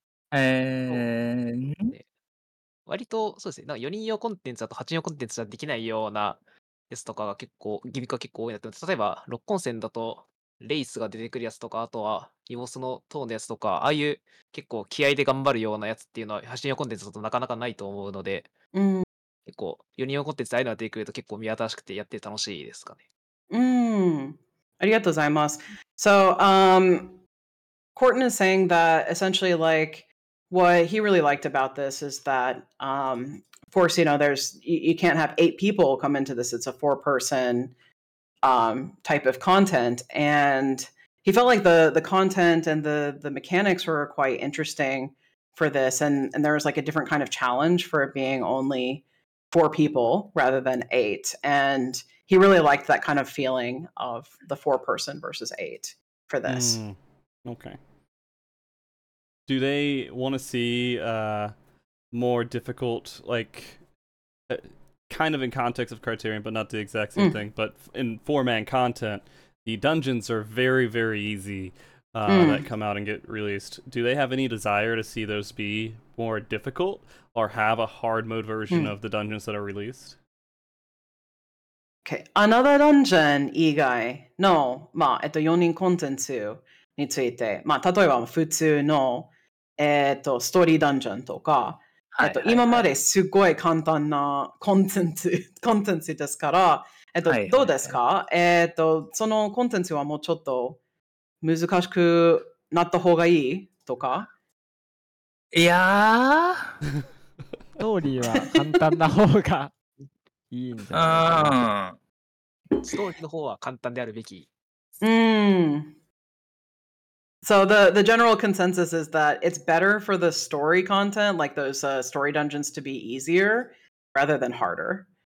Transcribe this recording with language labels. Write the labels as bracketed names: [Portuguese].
[Japanese] 割とそうですね、なんか4人用コンテンツだと8人用コンテンツじゃできないようなやつとかが結構、ギミックが結構多いなって、例えば6コンセンだとレイスが出てくるやつとか、あとはイボスのトーンのやつとか、ああいう結構気合で頑張るようなやつっていうのは8人用コンテンツだとなかなかないと思うので、うん、結構4人用コンテンツでああいうのが出てくると結構見新しくてやって楽しいですかね。うん、ありがとうございます。 [English] So, Courtin is saying that essentially like,What he really liked about this is that, of course, you know, there's, you can't have eight people come into this. It's a four person type of content. And he felt like the content and the mechanics were quite interesting for this. And there was like a different kind of challenge for it being only four people rather than eight. And he really liked that kind of feeling of the four person versus eight for this. Mm, okay. Do they want to see more difficult, like, kind of in context of Criterion, but not the exact same thing, but in four-man content, the dungeons are very, very easy that come out and get released. Do they have any desire to see those be more difficult or have a hard mode version of the dungeons that are released? Okay, another dungeon [Japanese] 以外の、まあ、4人コンテンツについて、まあ、例えば普通のストーリーダンジョンとか、はいはいはい、今まですごい簡単なコンテンツですから、はいはいはい、どうですか、そのコンテンツはもうちょっと難しくなった方がいいとか、いやストーリーは簡単な方がいいんじゃないか、ストーリーの方は簡単であるべき、 [English] So the general consensus is that it's better for the story content, like those story dungeons, to be easier rather than harder.